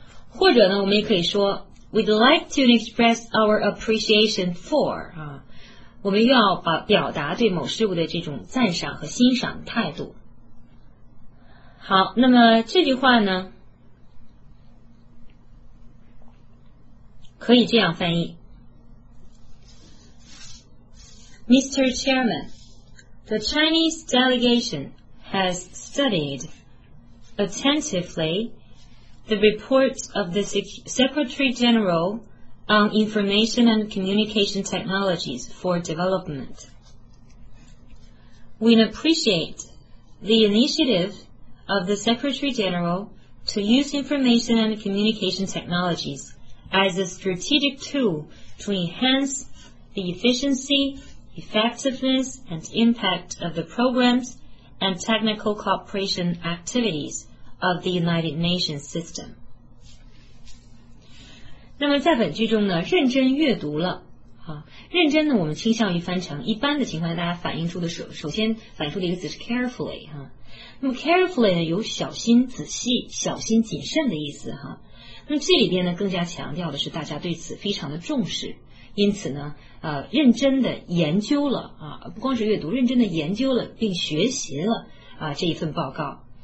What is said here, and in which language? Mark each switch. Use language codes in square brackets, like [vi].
[zh] 或者呢我们也可以说 [en] we'd like to express our appreciation for [zh] 我们又要表达对某事物的这种赞赏和欣赏态度。好，那么这句话呢可以这样翻译。 [en] Mr. Chairman, the Chinese delegation has studied attentivelyThe report of the Secretary General on Information and Communication Technologies for Development. We appreciate the initiative of the Secretary General to use information and communication technologies as a strategic tool to enhance the efficiency, effectiveness, and impact of the programs and technical cooperation activitiesof the United Nations system. [zh] 那么在本句中呢，认真阅读了认真呢，我们倾向于翻成一般的情况下，大家反映出的首先反映出的一个词是 carefully 哈。那么 carefully 呢，有小心、仔细、小心谨慎的意思哈。那么这里边呢，更加强调的是大家对此非常的重视，因此呢，认真的研究了啊，不光是阅读，认真的研究了并学习了啊这一份报告。